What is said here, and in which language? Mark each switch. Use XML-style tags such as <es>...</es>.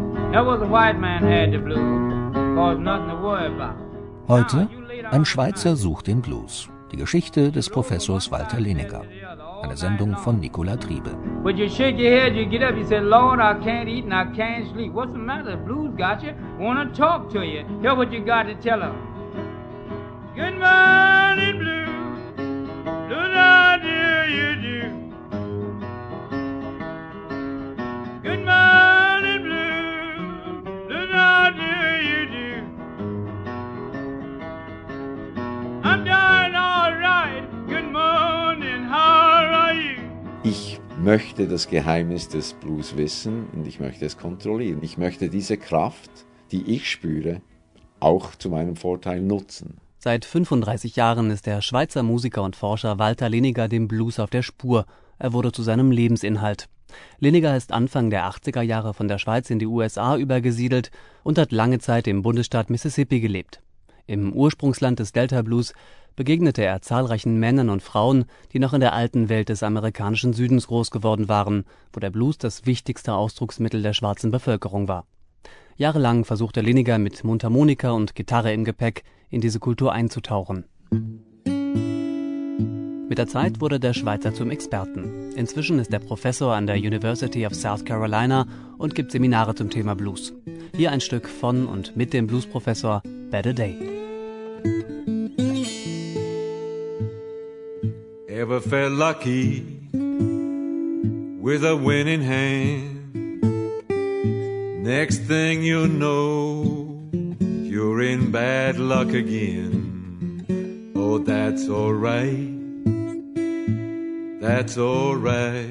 <en>Now, well, the white man had the blue, cause nothing to worry about.</en> <de>Heute, ein Schweizer sucht den Blues. Die Geschichte des Professors Walter Lehniger. Eine Sendung von Nicola Triebe.</de> <en>But you shake your head, you get up, you say, Lord, I can't eat and I can't sleep. What's the matter? The blues got you. Want to talk to you. Hear what you got to tell them. Good morning, blue. Blue, how do you do? Good morning, blue. Blue, how do you do? I'm dying all right. Good morning, how are you?</en> <de>Ich möchte das Geheimnis des Blues wissen und ich möchte es kontrollieren. Ich möchte diese Kraft, die ich spüre, auch zu meinem Vorteil nutzen. Seit 35 Jahren ist der Schweizer Musiker und Forscher Walter Lehniger dem Blues auf der Spur. Er wurde zu seinem Lebensinhalt. Lehniger ist Anfang der 80er Jahre von der Schweiz in die USA übergesiedelt und hat lange Zeit im Bundesstaat Mississippi gelebt. Im Ursprungsland des Delta Blues begegnete er zahlreichen Männern und Frauen, die noch in der alten Welt des amerikanischen Südens groß geworden waren, wo der Blues das wichtigste Ausdrucksmittel der schwarzen Bevölkerung war. Jahrelang versuchte Lehniger mit Mundharmonika und Gitarre im Gepäck in diese Kultur einzutauchen. Mit der Zeit wurde der Schweizer zum Experten. Inzwischen ist er Professor an der University of South Carolina und gibt Seminare zum Thema Blues. Hier ein Stück von und mit dem Bluesprofessor Better Day.</de> <en>Ever felt lucky with a winning hand? Next thing you know, you're in bad luck again. Oh, that's all right. That's all right.</en>